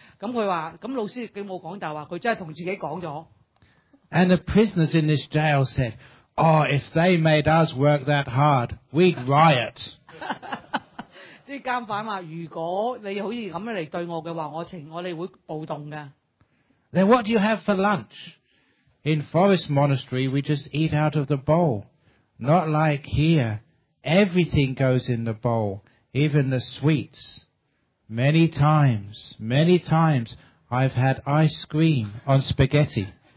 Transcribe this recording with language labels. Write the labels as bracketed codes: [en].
[yue] 咁佢話：咁老師佢冇講大話，佢真係同自己講咗。 [en] And the prisoners in this jail said, "Oh, if they made us work that hard, we'd riot." [yue] 啲監犯話：如果你好似咁樣嚟對我嘅話，我哋會暴動嘅。 [en] Then what do you have for lunch? In Forest Monastery, we just eat out of the bowl. Not like here. Everything goes in the bowl, even the sweets. Many times, many times, I've had ice cream on spaghetti.